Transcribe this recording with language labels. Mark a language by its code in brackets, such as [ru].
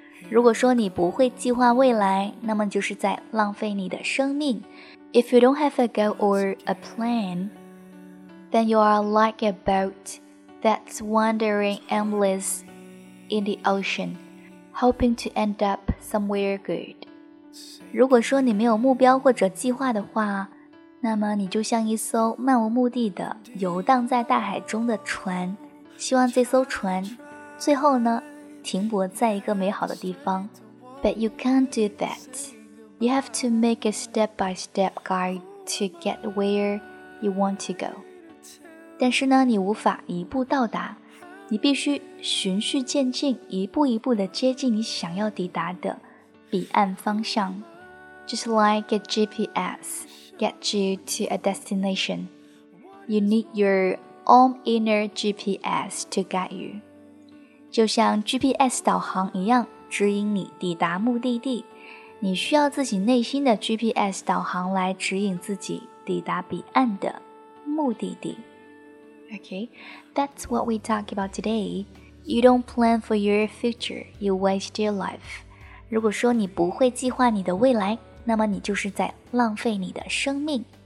[zh] 如果说你不会计划未来，那么就是在浪费你的生命。 [en] If you don't have a goal or a plan, then you are like a boat that's wandering aimless in the ocean, hoping to end up somewhere good. [zh] 如果说你没有目标或者计划的话，那么你就像一艘漫无目的的游荡在大海中的船，希望这艘船最后呢停泊在一个美好的地方。 [en] But you can't do that. You have to make a step-by-step guide to get where you want to go. [zh] 但是呢你无法一步到达，你必须循序渐进，一步一步地接近你想要抵达的彼岸方向。 [en] Just like a GPS gets you to a destination, you need your own inner GPS to guide you. [zh] 就像 GPS 导航一样，指引你抵达目的地，你需要自己内心的 GPS 导航来指引自己抵达彼岸的目的地。 [en] Okay, that's what we talk about today. You don't plan for your future, you waste your life. [zh] 如果说你不会计划你的未来，那么你就是在浪费你的生命。